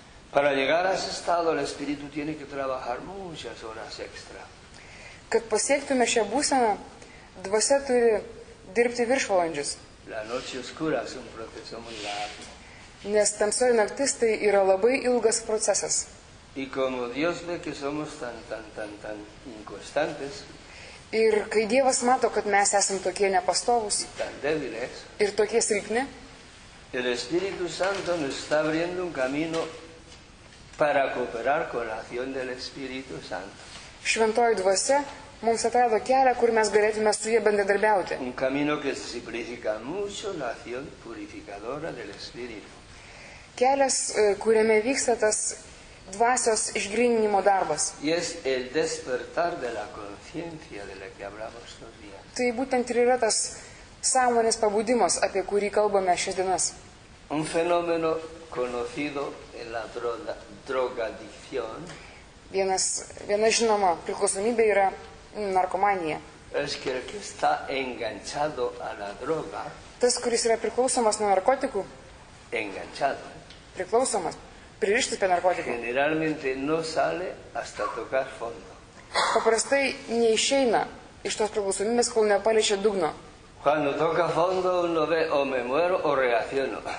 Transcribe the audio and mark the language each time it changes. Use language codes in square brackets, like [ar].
[es] Para llegar a ese estado, el Espíritu tiene que trabajar muchas horas extra. [lt] Kad pasiektume šią būseną, dvasia turi dirbti viršvalandžius. [es] La noche oscura es un proceso muy largo. [lt] Nes tamsioji naktis tai yra labai ilgas procesas. [es] Y como Dios ve que somos tan inconstantes. [lt] Ir kai Dievas mato, kad mes esam tokie nepastovus. [es] Y tan débiles. [lt] Ir tokie silpni. [es] El Espíritu Santo nos está abriendo un camino para cooperar con la acción del Espíritu Santo. [lt] Šventoji dvasia mums atrado kelią, kur mes galėtume su jie bendradarbiauti. [es] Un camino que simplifica mucho la acción purificadora del Espíritu. [lt] Kelias, kuriame vyksta tas dvasios išgrininimo darbas. [es] Y es el despertar de la conciencia de la que hablamos estos días. [lt] Tai būtent ir yra tas sąmonės pabudimas, apie kurį kalbame šias dienas. [es] Un fenómeno conocido en la drogadicción. [lt] Viena žinoma priklausomybė yra narkomanija. [es] Es que el que está enganchado a la droga. [lt] Tas, kuris yra priklausomas nuo narkotikų. [es] Enganchado. [lt] Priklausomas, pririštas prie narkotikų. [es] Generalmente no sale hasta tocar fondo. [lt] Paprastai neišeina iš tos priklausomybės, kol nepaliečia dugno. [es] Cuando toca fondo uno ve o me muero o reacciono.